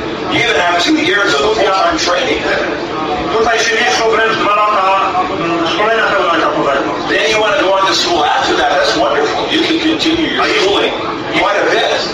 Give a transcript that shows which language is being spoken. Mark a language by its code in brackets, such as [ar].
[en] You even have 2 years of full-time training. [pl] Tutaj się mieszczą wręcz 2 lata szkolenia pełnoetapowego. [en] incredible. Then you want to go on to school after that. That's wonderful. You can continue your schooling quite a bit.